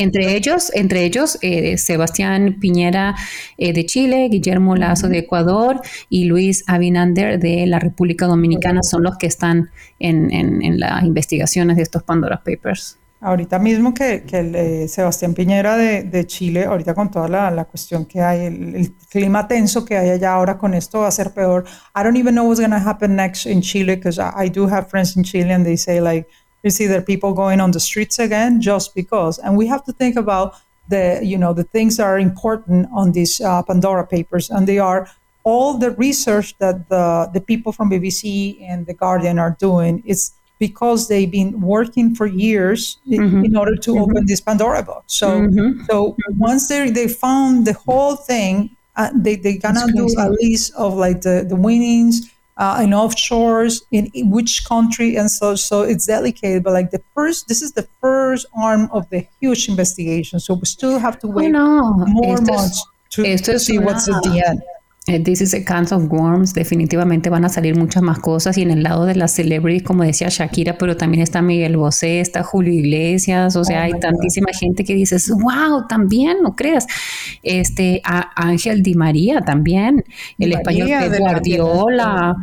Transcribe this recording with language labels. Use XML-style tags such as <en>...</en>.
<es>entre ellos, Sebastián Piñera de Chile, Guillermo Lasso de Ecuador y Luis Abinader de la República Dominicana son los que están en las investigaciones de estos Pandora Papers. Ahorita mismo que el Sebastián Piñera de Chile, ahorita con toda la cuestión que hay, el clima tenso que hay allá ahora con esto, va a ser peor.</es> <en>I don't even know what's going to happen next in Chile, because I do have friends in Chile and they say, like, you see there are people going on the streets again just because. And we have to think about the, you know, the things that are important on these Pandora Papers, and they are all the research that the people from BBC and The Guardian are doing. It's because they've been working for years in order to open this Pandora box. So so once they found the whole thing, they're going to do a list of like the winnings and offshores in which country and so. So it's delicate, but like this is the first arm of the huge investigation. So we still have to wait months to see what's at the end. This is a can of worms.</en> <es>Definitivamente van a salir muchas más cosas, y en el lado de las celebrities, como decía Shakira, pero también está Miguel Bosé, está Julio Iglesias, o sea, hay tantísima gente que dices, wow, también, no creas. A Ángel Di María también, el español Pep Guardiola.</es>